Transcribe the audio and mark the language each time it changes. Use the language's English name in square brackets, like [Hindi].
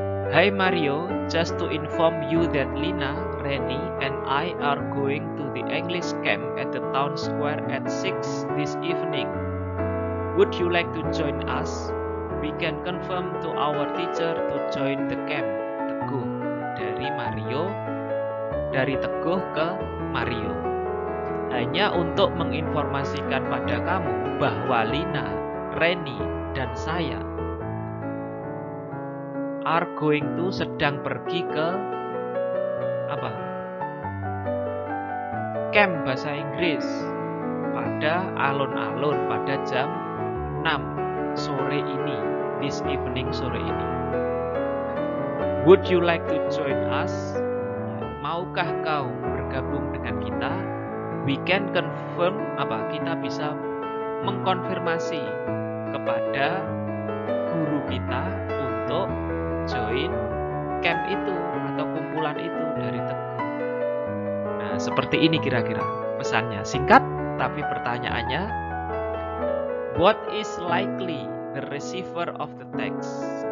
[English] Hi Mario, just to inform you that Lina, Reni, and I are going to the English camp at the town square at 6 this evening. Would you like to join us? We can confirm to our teacher to join the camp. [Indonesian] Teguh. Dari Mario, dari Teguh ke Mario. Hanya untuk menginformasikan pada kamu bahwa Lina, Reni, dan saya [English] are going to [Indonesian] sedang pergi ke apa? Camp bahasa Inggris pada alun-alun pada jam 6 sore ini, [English] this evening [Indonesian] sore ini. [English] Would you like to join us? [Indonesian] Maukah kau bergabung dengan kita? [English] We can confirm [Indonesian] apa? Kita bisa mengkonfirmasi kepada guru kita untuk join camp itu atau kumpulan itu dari Teguh. Nah, seperti ini kira-kira pesannya. Singkat, tapi pertanyaannya, [English] what is likely the receiver of the text?